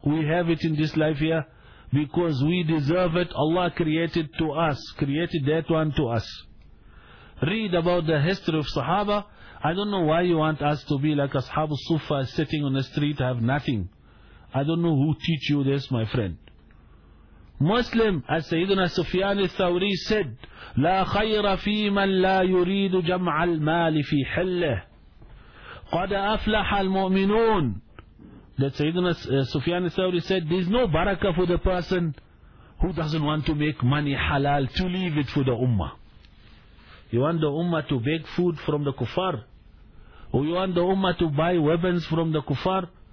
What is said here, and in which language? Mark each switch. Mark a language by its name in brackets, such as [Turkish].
[English] We have it in this life here. Because we deserve it, Allah created that one to us. Read about the history of Sahaba. I don't know why you want us to be like Ashabu Sufa, sitting on the street, have nothing. I don't know who teach you this, my friend. Muslim, as Sayyidina Sufyan al-Thawri said, [Arabic] لا خير في من لا يريد جمع المال في حله. قد أفلح المؤمنون. [English] That Sayyidina Sufyan al-Thawri said, there is no barakah for the person who doesn't want to make money halal to leave it for the ummah. You want the ummah to beg food from the kuffar? Or you want the ummah to buy weapons from the kuffar?